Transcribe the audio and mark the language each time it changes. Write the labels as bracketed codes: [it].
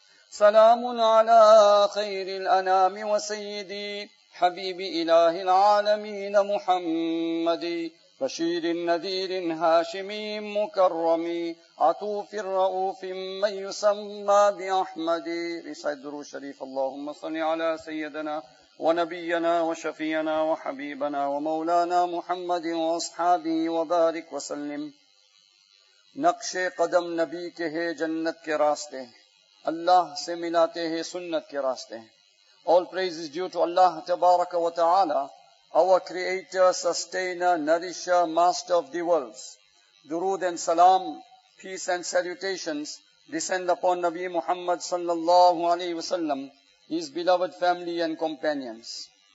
[ar] سلام على خير الأنام وسيدي حبيب إله العالمين محمد، بشير نذير هاشمي مكرم، عطوف رؤوف من يسمى بأحمد. صدر شريف، اللهم صل على سيدنا ونبينا وشفينا وحبيبنا ومولانا محمد وأصحابه وبارك وسلم. [ur] نقش قدم نبی کے ہے جنت کے راستے، اللہ سے ملاتے ہیں سنت کے راستے. [en] All praise is due to Allah [ar] تبارک و تعالی, [en] our creator, sustainer, nourisher, master of the worlds. Durood and salam, peace and salutations descend upon Nabi Muhammad [ar] sallallahu alayhi wa sallam, [en] his beloved family and companions.